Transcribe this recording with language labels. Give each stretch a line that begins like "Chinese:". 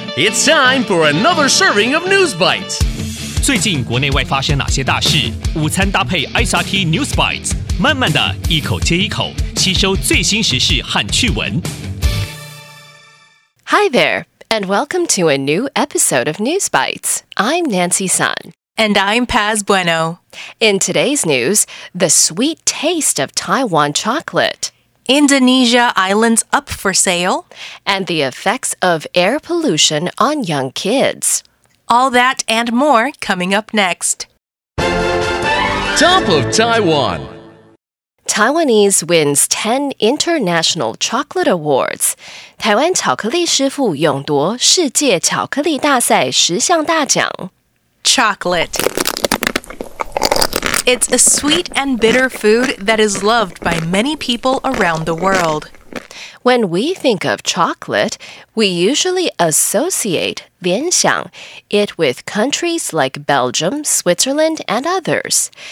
English: It's time for another serving of News Bites.
Chinese: 最近国内外发生哪些大事？午餐搭配 SRT News Bites， 慢慢的一口接一口，吸收最新时事和趣闻。
English: Hi there, and welcome to a new episode of News Bites. I'm Nancy Sun. And I'm Paz Bueno. In today's news, the sweet taste of Taiwan chocolate. Indonesia islands up for sale. And the effects of air pollution on young kids. All that and more coming up next. Top of Taiwan. Taiwanese wins 10 international chocolate awards.
Chinese: 台湾巧克力师傅勇夺世界巧克力大赛十项大奖。
English: Chocolate. It's a sweet and bitter food that is loved by many people around the world. When we think of chocolate, we usually associate 联想 it with countries like Belgium, Switzerland, and others.